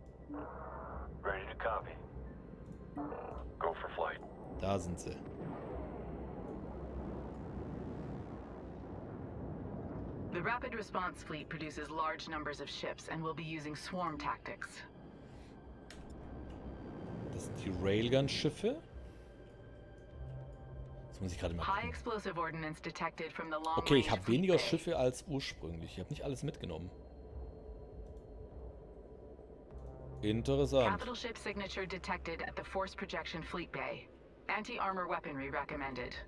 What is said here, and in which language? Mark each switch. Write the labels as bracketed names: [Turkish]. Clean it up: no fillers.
[English] Ready to copy. Go for flight. [German] Da sind sie. [English] The rapid response fleet produces large numbers of ships and will be using swarm tactics. [German] Das sind die Railgun Schiffe. [English] High explosive ordnance detected from the long. [German] Okay, ich habe weniger Schiffe als ursprünglich. Ich habe nicht alles mitgenommen. Interessant. [English] Capital ship signature detected at the force projection fleet bay. Anti-armor weaponry recommended.